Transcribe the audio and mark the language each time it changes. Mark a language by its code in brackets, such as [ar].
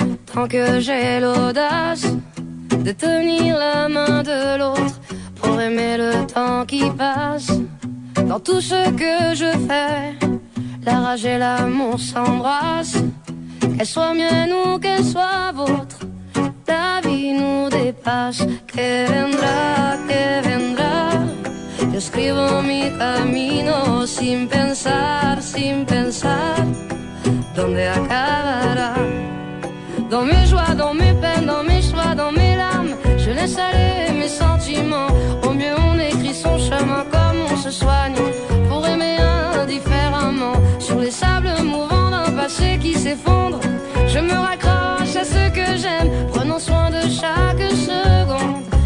[fr] sens que j'ai l'audace de tenir la main de l'autre pour aimer le temps qui passe. Dans tout ce que je fais, la rage et l'amour s'embrassent. Qu'elle soit mienne ou qu'elle soit vôtre, ta vie nous dépasse. [es] Que vendra, que vendra. Yo escribo mi camino sin pensar, sin pensar. ¿Dónde acabará? [fr] Dans mes joies, dans mes peines, dans mes choix, dans mes larmes, je laisse aller mes sentiments. Au mieux on écrit son chemin comme on se soigne pour aimer indifféremment. Sur les sables mouvants d'un passé qui s'effondre, je me raccroche à ce que j'aime, prenant soin de chaque seconde.